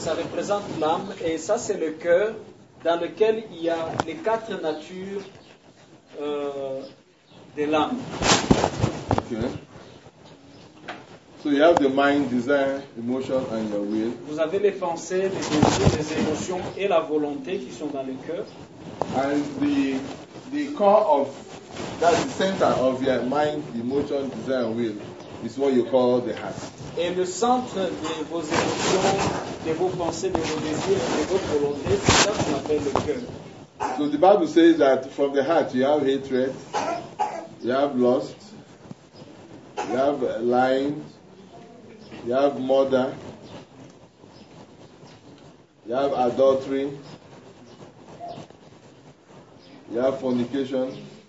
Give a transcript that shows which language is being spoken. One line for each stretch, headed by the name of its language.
French: Ça représente l'âme et ça c'est le cœur dans lequel il y a les quatre natures de l'âme.
English: Okay. So you have the mind, desire, emotion, and your will.
French: Vous avez les pensées, les désirs, les émotions et la volonté qui sont dans le cœur.
English: And the core of That's the center of your mind, emotion, desire, and will. It's what you call the heart.
French: Et le centre de vos émotions, de vos pensées, de vos désirs, de vos volontés, c'est ça qu'on appelle le cœur.
English: So the Bible says that from the heart you have hatred, you have lust, you have lying, you have murder, you have adultery, you have fornication.